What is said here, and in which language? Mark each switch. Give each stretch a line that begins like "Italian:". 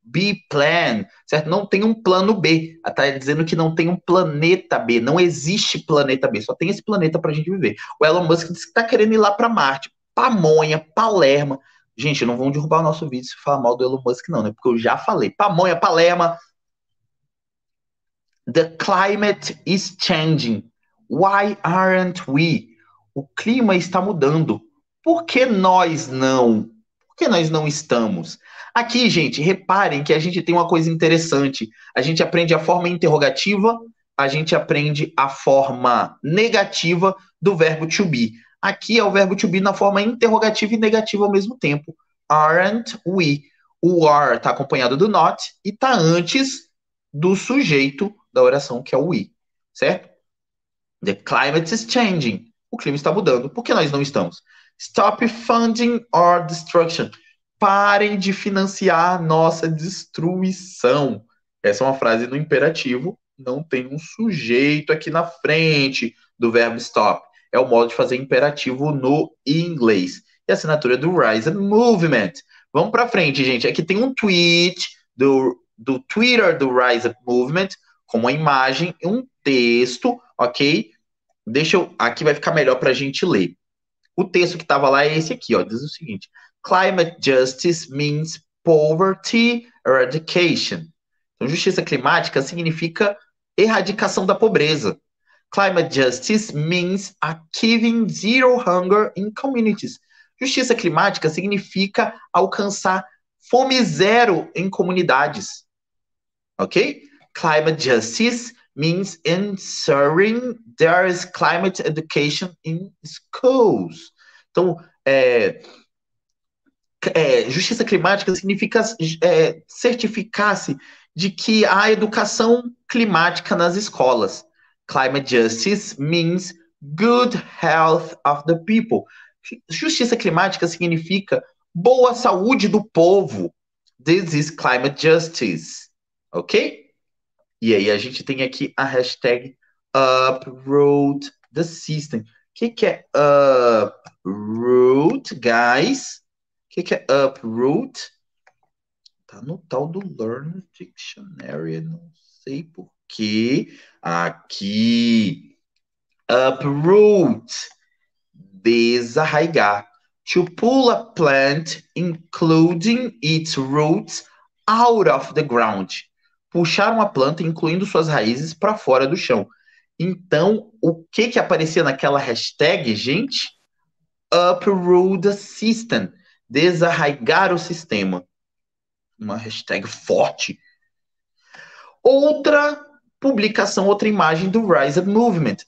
Portuguese: B plan, certo? Não tem um plano B. Ela tá dizendo que não tem um planeta B. Não existe planeta B. Só tem esse planeta pra gente viver. O Elon Musk disse que tá querendo ir lá pra Marte. Pamonha, Palerma. Gente, não vão derrubar o nosso vídeo se falar mal do Elon Musk, não, né? Porque eu já falei. Pamonha, Palerma.
English: The climate is changing. Why aren't we?
Portuguese: O clima está mudando. Por que nós não? Por que nós não estamos? Aqui, gente, reparem que a gente tem uma coisa interessante. A gente aprende a forma interrogativa, a gente aprende a forma negativa do verbo to be. Aqui é o verbo to be na forma interrogativa e negativa ao mesmo tempo. Aren't we? O are está acompanhado do not e está antes do sujeito da oração, que é o we. Certo?
English: The climate is changing.
Portuguese: O clima está mudando. Por que nós não estamos?
English: Stop funding our destruction.
Portuguese: Parem de financiar nossa destruição. Essa é uma frase no imperativo. Não tem um sujeito aqui na frente do verbo stop. É o modo de fazer imperativo no inglês. E a assinatura é do Rise and Movement. Vamos para frente, gente. Aqui tem um tweet do Twitter do Rise and Movement com uma imagem e um texto, ok? Aqui vai ficar melhor para a gente ler. O texto que estava lá é esse aqui, ó. Diz o seguinte:
English: Climate justice means poverty eradication.
Portuguese: Então, justiça climática significa erradicação da pobreza.
English: Climate justice means achieving zero hunger in communities.
Portuguese: Justiça climática significa alcançar fome zero em comunidades. Ok?
English: Climate justice means ensuring there is climate education in schools.
Portuguese: Então, justiça climática significa certificar-se de que há educação climática nas escolas.
English: Climate justice means good health of the people.
Portuguese: Justiça climática significa boa saúde do povo.
English: This is climate justice.
Portuguese: Ok? E aí, a gente tem aqui a hashtag Uproot the System. O que, que é Uproot, guys? O que, que é Uproot? Tá no tal do Learn Dictionary, não sei por quê. Aqui. Uproot. Desarraigar.
English: To pull a plant, including its roots, out of the ground.
Portuguese: Puxar uma planta, incluindo suas raízes, para fora do chão. Então, o que que aparecia naquela hashtag, gente? Uproot the system. Desarraigar o sistema. Uma hashtag forte. Outra publicação, outra imagem do Rise Up Movement.